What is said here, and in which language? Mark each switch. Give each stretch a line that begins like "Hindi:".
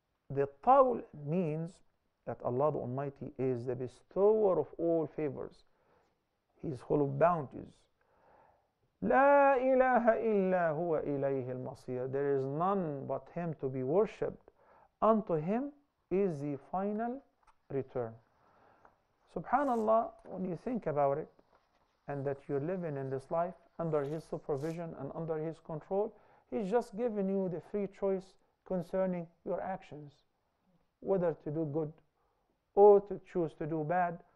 English: The Tawl means that Allah the Almighty is the bestower of all favors. He is full of bounties.
Arabic: لا إله إلا هو إليه المصير.
English: There is none but Him to be worshipped. Unto Him is the final return. Subhanallah, when you think about it, and that you're living in this life under His supervision and under His control, He's just given you the free choice concerning your actions, whether to do good or to choose to do bad.